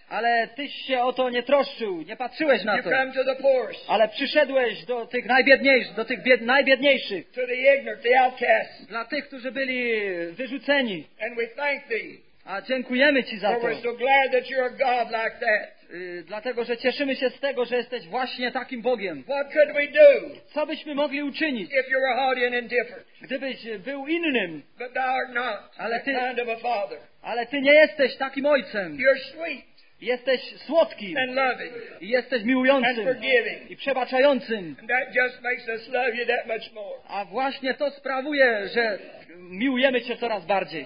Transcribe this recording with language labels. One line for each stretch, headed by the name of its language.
Polish: Ale tyś się o to nie troszczył, nie patrzyłeś na to.
English: You come to the poor.
Polish: Ale przyszedłeś do tych najbiedniejszych, najbiedniejszych.
English: To the ignorant, the outcast.
Polish: Dla tych, którzy byli wyrzuceni.
English: And we thank thee.
Polish: A dziękujemy ci za to.
English: We're so glad that you're a God like that.
Polish: Dlatego, że cieszymy się z tego, że jesteś właśnie takim Bogiem.
English: What could we do,
Polish: co byśmy mogli uczynić,
English: if you were haughty and indifferent?
Polish: Gdybyś był innym.
English: But thou art not,
Polish: ale ty,
English: kind of a father.
Polish: Ale ty nie jesteś takim ojcem.
English: You're sweet.
Polish: Jesteś słodki
English: and loving.
Polish: I jesteś miłującym
English: and forgiving.
Polish: I przebaczającym.
English: And that just makes us love you that much more.
Polish: A właśnie to sprawuje, że miłujemy cię coraz bardziej.